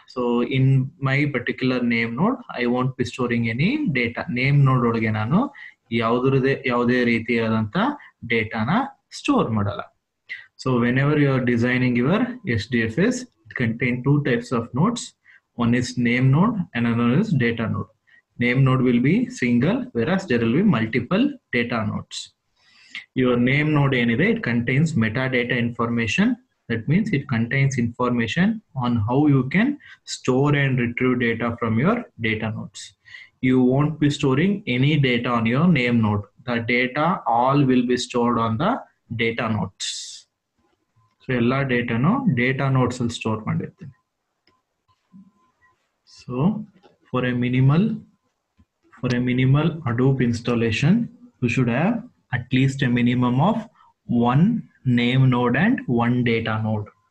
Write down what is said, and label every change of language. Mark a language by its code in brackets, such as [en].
[en] So in my particular name node, I want be storing any data. [kn] Name ನೋಡ್ ಒಳಗೆ ನಾನು ಯಾವುದೇ ರೀತಿಯಾದಂತ ಡೇಟಾನ ಸ್ಟೋರ್ ಮಾಡಲ್ಲ. [en] So whenever you are designing your HDFS, it contains two types of nodes. One is name node and another is data node. Name node will be single, whereas there will be multiple data nodes. Your name node anyway, it contains metadata information. That means it contains information on how you can store and retrieve data from your data nodes. You won't be storing any data on your name node. The data all will be stored on the data nodes. [kn] So ಎಲ್ಲ ಡೇಟಾನು data notes ಅಲ್ಲಿ store ಮಾಡಿರ್ತೀನಿ. [en] So for a minimal Hadoop installation, you should have at least a minimum of one name node and one data node.